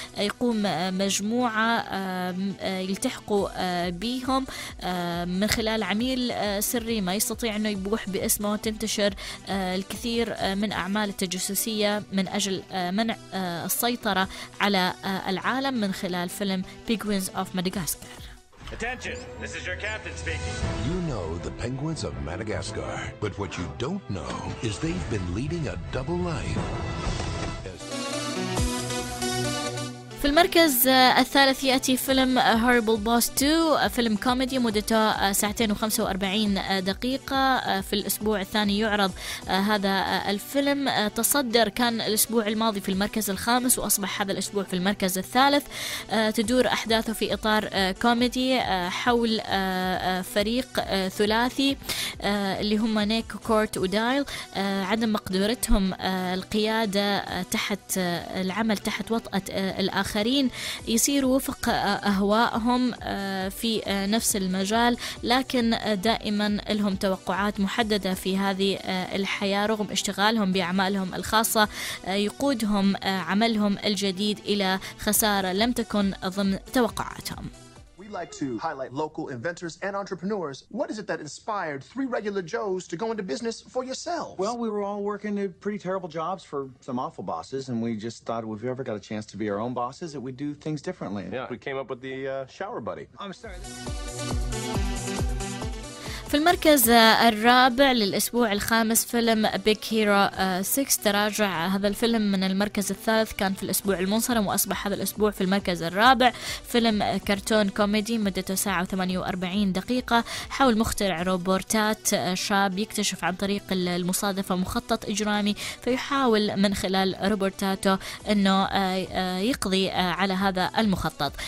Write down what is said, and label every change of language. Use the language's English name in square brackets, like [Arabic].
[Arabic] يقوم مجموعة يلتحقوا بيهم من خلال عميل سري ما يستطيع أنه يبوح باسمه. تنتشر الكثير من أعمال التجسسية من أجل منع السيطرة على العالم من خلال فيلم Penguins of Madagascar. [English] Attention, this is your captain speaking. You know the penguins of Madagascar, but what you don't know is they've been leading a double life. [Arabic] في المركز الثالث يأتي فيلم Horrible Boss 2، فيلم كوميدي مدته 2:45 دقيقة. في الأسبوع الثاني يعرض هذا الفيلم، تصدر كان الأسبوع الماضي في المركز الخامس وأصبح هذا الأسبوع في المركز الثالث. تدور أحداثه في إطار كوميدي حول فريق ثلاثي اللي هم نيك كورت ودايل، عدم مقدورتهم القيادة تحت العمل تحت وطأة الآخر يصير وفق أهوائهم في نفس المجال، لكن دائما لهم توقعات محددة في هذه الحياة رغم اشتغالهم بأعمالهم الخاصة. يقودهم عملهم الجديد إلى خسارة لم تكن ضمن توقعاتهم. [English] We'd like to highlight local inventors and entrepreneurs. What is it that inspired three regular Joes to go into business for yourselves? Well, we were all working at pretty terrible jobs for some awful bosses, and we just thought if we ever got a chance to be our own bosses, that we'd do things differently. Yeah, we came up with the shower buddy. I'm sorry. [Arabic] في المركز الرابع للأسبوع الخامس فيلم Big Hero 6. تراجع هذا الفيلم من المركز الثالث، كان في الأسبوع المنصرم وأصبح هذا الأسبوع في المركز الرابع. فيلم كرتون كوميدي مدته 1:48 دقيقة حول مخترع روبوتات شاب يكتشف عن طريق المصادفة مخطط إجرامي، فيحاول من خلال روبوتاته أنه يقضي على هذا المخطط.